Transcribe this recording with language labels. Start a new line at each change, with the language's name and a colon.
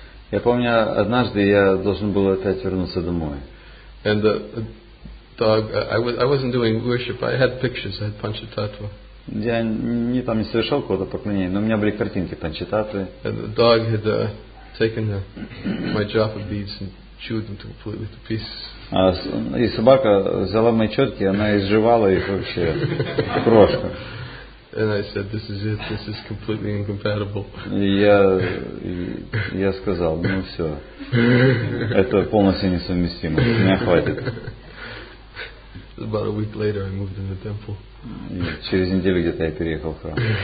Russian: Я помню, однажды я должен был опять вернуться домой.
English: And the dog, I wasn't doing worship. I had pictures. I had Panchatattva.
Russian: Я не там не совершал какого-то поклонения, но у меня были картинки Панчататвы.
English: And the dog had taken my japa beads and chewed them completely to pieces.
Russian: А и собака взяла мои четки, она изживала их вообще крошка.
English: And I said, this is it, this is completely incompatible.
Russian: Я сказал, ну все. Это полностью несовместимо. Меня хватит.
English: About a week later I moved in the temple.
Russian: Через неделю где-то я переехал в храм.